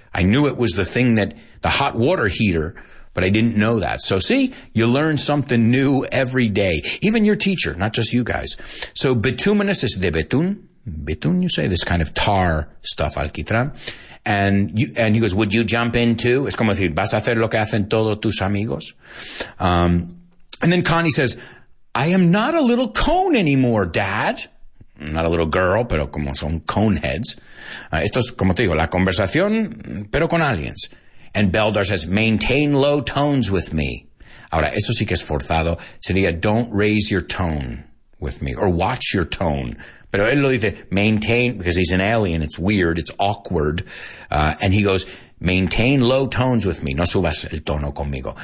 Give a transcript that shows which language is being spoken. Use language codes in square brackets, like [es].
[en] I knew it was the thing that, the hot water heater, but I didn't know that. So see, you learn something new every day. Even your teacher, not just you guys. So bituminous is de betún. Betún, you say, this kind of tar stuff, alquitrán. And he goes, would you jump in too? [es] Es como decir, ¿vas a hacer lo que hacen todos tus amigos? [en] And then Connie says, I am not a little cone anymore, Dad. Not a little girl, [es] pero como son [en] cone heads. [es] Esto es, como te digo, la conversación, pero con aliens. [en] And Beldar says, maintain low tones with me. [es] Ahora, eso sí que es forzado. Sería, [en] don't raise your tone with me, or watch your tone. [es] Pero él lo dice, [en] maintain, because he's an alien, it's weird, it's awkward. And he goes, maintain low tones with me. [es] No subas el tono conmigo.